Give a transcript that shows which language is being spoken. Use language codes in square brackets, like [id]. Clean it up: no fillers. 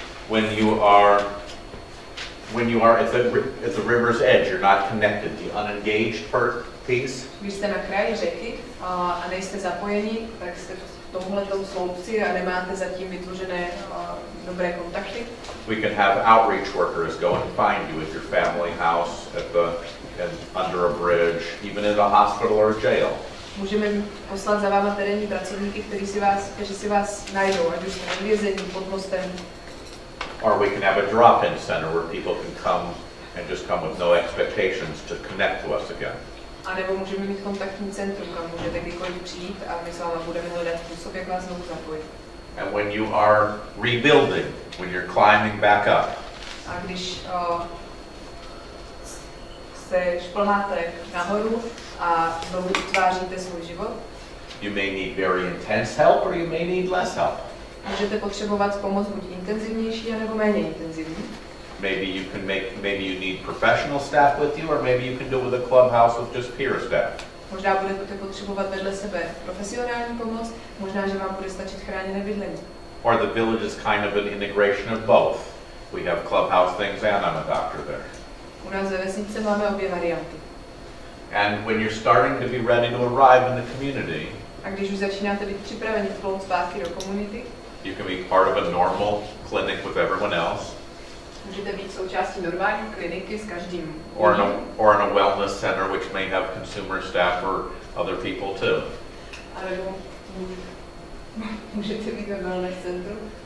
[en] When you are when you are at the river's edge, you're not connected, the unengaged part piece. [cs] Když jste na kraji řeky a nejste zapojení, tak jste v tomhletom sloupci a nemáte zatím vytvořené dobré kontakty. [en] We can have outreach workers go and find you at your family house, under a bridge, even in a hospital or a jail. [cs] Můžeme poslat za váma terénní pracovníky, kteří si vás najdou, ať už jste ve vězení, pod mostem. [en] Or we can have a drop-in center where people can come and just come with no expectations to connect to us again. [cs] A nebo můžeme mít kontaktní centrum, kam můžete kdykoliv přijít a my s váma budeme hledat způsob, jak vás znovu zapojit. [en] And when you are rebuilding, when you're climbing back up. [cs] A když se šplháte nahoru a znovu utváříte svůj život. [en] You may need very intense help or you may need less help. [cs] Můžete potřebovat pomoc buď intenzivnější nebo méně intenzivní. [en] Maybe you need professional staff with you, or maybe you can do it with a clubhouse with just peer staff. [cs] Možná budete potřebovat vedle sebe profesionální pomoc, možná že vám bude stačit chráněné bydlení. [en] Or the village is kind of an integration of both. We have clubhouse things and I'm a doctor there. [cs] U nás ve vesnici máme obě varianty. [en] And when you're starting to be ready to arrive in the community, [cs] a když už začínáte být připraveni plout zpátky do komunity, [en] you can be part of a normal clinic with everyone else. [cs] Můžete být součástí normální kliniky s každým. [en] Or in a wellness center, which may have consumer staff or other people too. [cs] A nebo můžete být ve wellness centru.